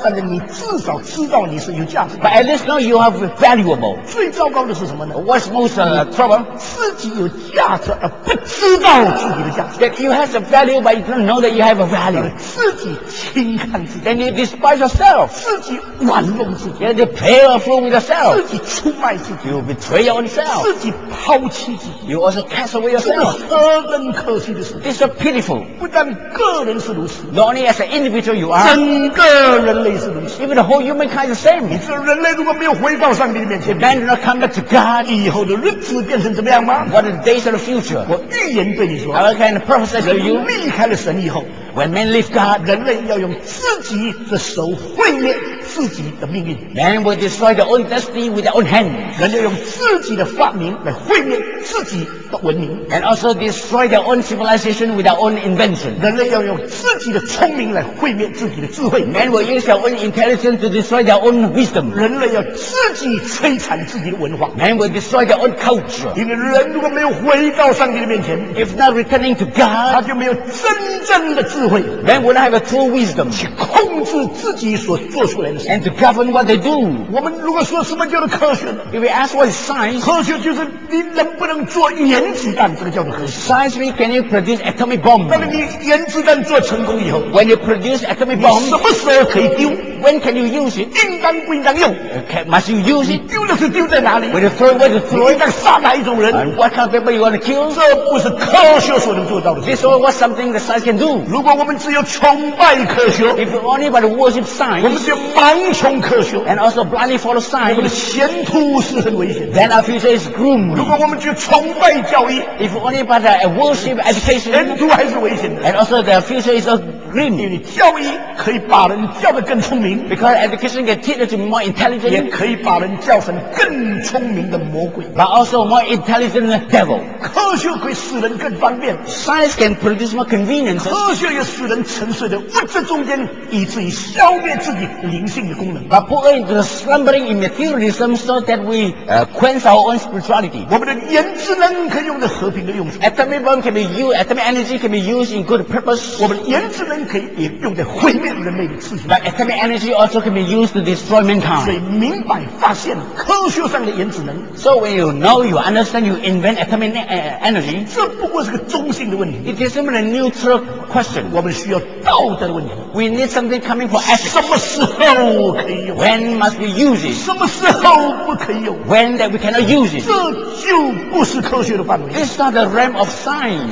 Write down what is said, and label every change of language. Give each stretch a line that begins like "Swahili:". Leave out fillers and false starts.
Chinese: 但是你至少知道你是有价值。
English: But at least know you are valuable.
Chinese: 最糟糕的是什么呢
English: ？What's most trouble?
Chinese: 自己有价值而不知道自己的价值。
English: That you have a value, but you don't know that you have a value.
Chinese: 自己轻看自己。
English: Then you despise yourself.
Chinese: 自己玩弄自己。
English: And you play a fool with yourself.
Chinese: 自己出卖自己。
English: You betray yourself.
Chinese: 自己抛弃自己。
English: You also cast away yourself.
Chinese: 何等可惜的事
English: This is pitiful
Chinese: 不但个人是如此
English: Not only as an individual you are
Chinese: 整个人类是如此
English: Even the whole humankind is the same
Chinese: 你知道人类如果没有回到上帝的面前
English: If man did not come back to God
Chinese: 以后的日子变成怎么样吗
English: What are the days of the future
Chinese: 我预言对你说
English: I can prophesy to you
Chinese: 人离开了神以后
English: When man leave God
Chinese: 人类要用自己的手毁灭自己的命运
English: Man will destroy their own destiny with their own hand
Chinese: 人要用自己的发明来毁灭自己的文明
English: And also destroy their own civilization with their own invention
Chinese: 人类要用自己的聪明来毁灭自己的智慧
English: Man will use their own intelligence to destroy their own wisdom
Chinese: 人类要自己摧残自己的文化
English: Man will destroy their own culture
Chinese: 因为人如果没有回到上帝的面前
English: If not returning to God
Chinese: 他就没有真正的智慧
English: Man will not have a true wisdom
Chinese: 去控制自己所做出来的
English: And to govern what they do
Chinese: 我们如果说什么叫做科学
English: If we ask what is science
Chinese: 科学就是你能不能做原子弹这个叫做科学
English: Science can you produce atomic bomb
Chinese: 但是你原子弹做成功以后
English: When you produce atomic bomb
Chinese: 什么时候可以丢
English: When can you use it
Chinese: 应当不应当用
English: okay, Must you use it
Chinese: 丢的是丢在哪里
English: When you throw what you throw
Chinese: 你应当杀哪一种人
English: What kind of people you want to kill
Chinese: 这不是科学所能做到的
English: This is what something the science can do
Chinese: 如果我们只有崇拜科学
English: If only by the worship science
Chinese: 我们只有盲从科学
English: And also blindly follow science
Chinese: 我们的前途是很危险
English: Then our future is gloomy
Chinese: 如果我们只有崇拜教育
English: If only but a worship education
Chinese: 前途还是危险的
English: And also the future is a grim
Chinese: 因为教育可以把人教得更聪明
English: Because education can teach them to be more intelligent
Chinese: 也可以把人教成更聪明的魔鬼
English: But also more intelligent than the devil
Chinese: 科学可以使人更方便
English: Science can produce more convenience
Chinese: 科学也使人沉睡在物质中间以至于消灭自己灵性的功能
English: But put into the slumbering in materialism so that we quench our own spirituality
Chinese: 我们的言之能可以用在和平的用处
English: Atomic bomb can be used Atomic energy can be used in good purpose
Chinese: 我们原子能可以也用在毁灭人类的事情
English: But atomic energy also can be used to destroy mankind
Chinese: 所以明白发现科学上的原子能
English: So when you know you understand you invent atomic energy
Chinese: 这不过是个中性的问题
English: It is simply a neutral question
Chinese: 我们需要道德的问题
English: We need something coming for ethics
Chinese: 什么时候可以用
English: When must we use it
Chinese: 什么时候不可以用
English: When that we cannot use it
Chinese: 这就不是科学的范围
English: This is not the realm of science